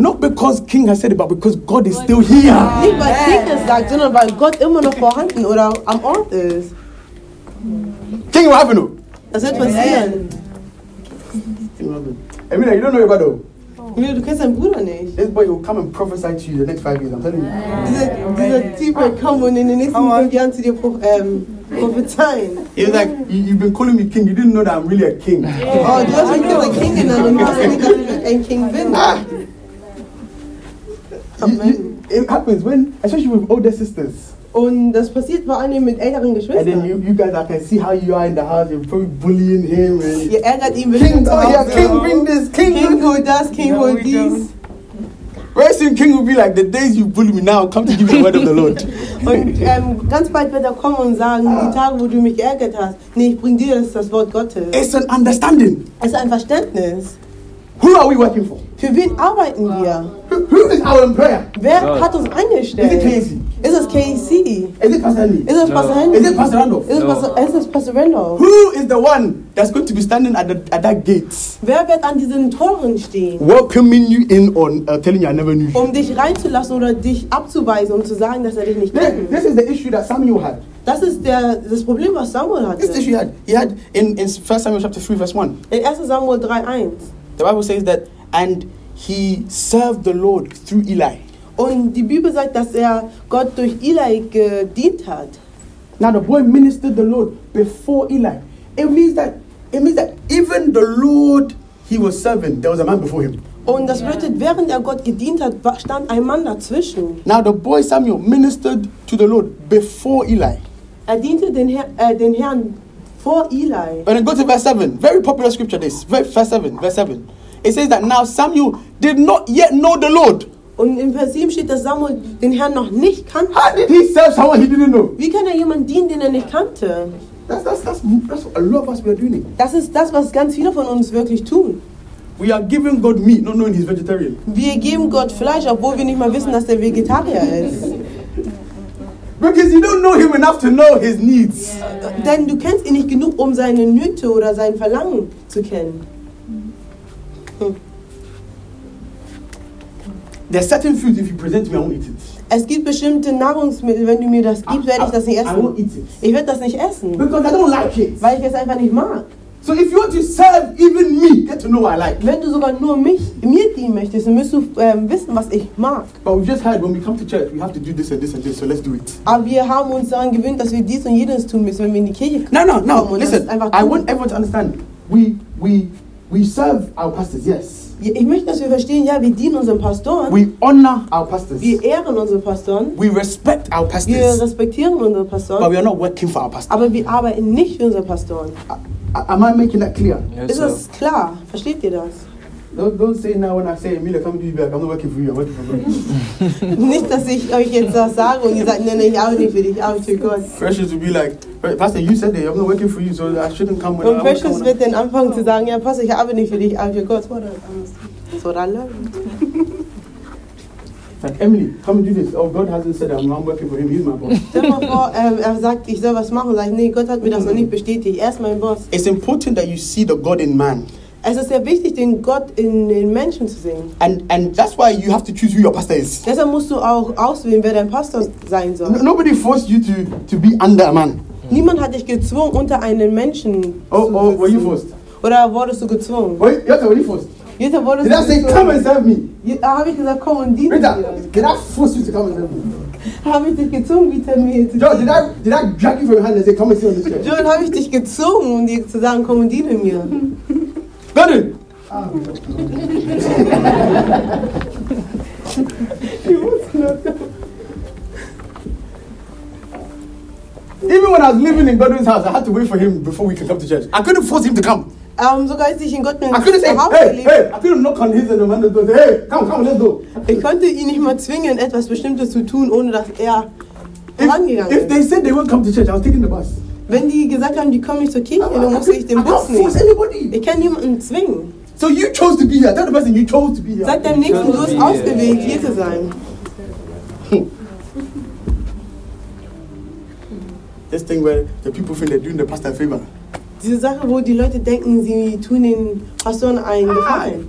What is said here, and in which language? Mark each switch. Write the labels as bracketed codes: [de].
[en] Not because King has said it, but because God is still here. [de] Nicht weil King es sagt, sondern weil Gott immer noch vorhanden oder am Ort ist. [en] King, what happened? [de] Das wird passieren. [en] Emilia, you don't know your brother. [de] Du kennst deinen Bruder nicht. [en] This boy will come and prophesy to you the next 5 years. I'm telling you. [de] Dieser Typ wird kommen und in den nächsten 5 Jahren zu dir prophezeien. [en] He was like, you've been calling me king. You didn't know that I'm really a king. Yeah. [de] Oh, du hast mich als King genannt und hast mich als ein King bin. [en] It happens when, especially with older sisters. [de] Und das passiert vor allem mit älteren Geschwistern. [en] And then you guys, I can see how you are in the house. You're probably bullying him. [de] Ihr ärgert ihn bestimmt. [en] King, oh yeah, King, bring this. King hold [de] das, [en] King hold [de] dies. [en] Very soon, King will be like, the days you bully me now, come to give me the word of the Lord. [de] Und ganz bald wird er kommen und sagen, die Tage, wo du mich geärgert hast, nee, ich bring dir das Wort Gottes. [en] It's an understanding. [de] Es ist ein Verständnis. [en] Who are we working for? [de] Für wen arbeiten wir? [en] Who is our employer? [de] Wer hat uns eingestellt? [en] Is it Casey? Is it KC? Is it Pastor Lee? Is it Pastor Henry? Is it Pastor Randolph? Is it Pastor Randolph? Who is the one that's going to be standing at that gate? [de] Wer wird an diesen Toren stehen? [en] Welcoming you in on telling you I never knew you. [de] Um dich reinzulassen oder dich abzuweisen, um zu sagen, dass dich nicht kennt. [en] This is the issue that Samuel had. [de] Das ist das Problem, was Samuel hatte. [en] This is the issue he had in 1 Samuel chapter 3 verse 1. [de] In 1 Samuel 3, 1. [en] The Bible says that, and he served the Lord through Eli. [de] Und die Bibel sagt, dass Gott durch Eli gedient hat. [en] Now the boy ministered the Lord before Eli. It means that even the Lord he was serving, there was a man before him. [de] Und das bedeutet, während Gott gedient hat, stand ein Mann dazwischen. [en] Now the boy Samuel ministered to the Lord before Eli. [de] Er diente den Herrn vor Eli. [en] When it goes to verse 7, very popular scripture this, verse 7. It says that now Samuel did not yet know the Lord. [de] Und in Vers 7 steht, dass Samuel den Herrn noch nicht kannte. [en] How did he serve someone he didn't know? [de] Wie kann jemanden dienen, den nicht kannte? [en] That's what a lot of us we are doing. [de] Das ist das, was ganz viele von uns wirklich tun. [en] We are giving God meat, not knowing he's vegetarian. [de] Wir geben Gott Fleisch, obwohl wir nicht mal wissen, dass Vegetarier ist. [en] Because you don't know him enough to know his needs. Yeah. [de] Denn du kennst ihn nicht genug, um seine Nöte oder sein Verlangen zu kennen. [en] There are certain foods if you present me, I won't eat it. [de] Es gibt bestimmte Nahrungsmittel, wenn du mir das gibst, werde ich das nicht essen. [en] I won't eat it. [de] Ich werde das nicht essen. [en] Because I don't like it. [de] Weil ich es einfach nicht mag. [en] So if you want to serve even me, get to know what I like. [de] Wenn du sogar nur mir dienen möchtest, dann musst du wissen, was ich mag. [en] But we just heard when we come to church, we have to do this and this and this. So let's do it. [de] Aber wir haben uns daran gewöhnt, dass wir dies und jenes tun müssen, wenn wir in die Kirche kommen. [en] No. Listen. I want everyone to understand. We serve our pastors. Yes. [de] Ich möchte, dass wir verstehen, ja, wir dienen unseren Pastoren. [en] We honor our pastors. [de] Wir ehren unsere Pastoren. [en] We respect our pastors. [de] Wir respektieren unsere Pastoren. [en] But we are not working for our pastors. [de] Aber wir arbeiten nicht für unsere Pastoren. [en] Am I making that clear? Yes, [de] ist das klar? Versteht ihr das? [en] Don't say now when I say, Emilia, come to you back. I'm not working for you, I'm working for God. [de] Nicht, dass ich euch jetzt das sage und ihr sagt, nein, ich arbeite für dich, ich arbeite für Gott. [en] Precious will be like, Pastor, you said that, I'm not working for you, so I shouldn't come when I'm working for God. [de] Precious wird dann anfangen zu sagen, ja, Pastor, ich arbeite nicht für dich, ich arbeite für Gott. [en] That's what I learned. Like, Emily, come and do this. Oh, God hasn't said that, I'm not working for him, he's my boss. [de] Stell mal vor, er sagt, ich soll was machen. Sag ich, nee, Gott hat mir das noch nicht bestätigt, er ist mein Boss. [en] It's important that you see the God in man. [de] Es ist sehr wichtig, den Gott in den Menschen zu sehen. [en] And that's why you have to choose who your pastor is. [de] Deshalb musst du auch auswählen, wer dein Pastor sein soll. [en] Nobody forced you to be under a man. [de] Niemand hat dich gezwungen, unter einen Menschen zu sitzen. [en] Oh, were you forced? [de] Oder wurdest du gezwungen? Jetzt [en] were you forced? [de] Jetzt wurdest du gezwungen? [en] Did I say, come and serve me? [de] Da habe ich gesagt, komm und diene dir. [en] Did I force you to come and serve me? [de] Habe ich dich gezwungen, bitte mir zu [en] John, did I drag you from your hand and say, come and sit on this chair? [de] John, habe ich dich gezwungen, um dir zu sagen, komm und diene mir? [en] Got it. He was not. Even when I was living in Godwin's house, I had to wait for him before we could come to church. I couldn't force him to come. [de] Sogar als ich in Gottes Haus gelebt habe, ich konnte [en] knock on his door [de] und sagen, hey, komm, [en] let's go. [de] Ich konnte ihn nicht mal zwingen, etwas Bestimmtes zu tun, ohne dass er rangegangen ist. [en] If they said they won't come to church, I was taking the bus. [de] Wenn die gesagt haben, die kommen nicht zur Kirche, dann musste ich den Bus nehmen. Ich kann niemanden zwingen. [en] So you chose to be here. Tell the person you chose to be here. [de] Sag deinem Nächsten, du hast ausgewählt, hier zu sein. [en] This thing where the people think they're doing the pastor a favor. [de] Diese Sache, wo die Leute denken, sie tun den Pastoren einen Gefallen.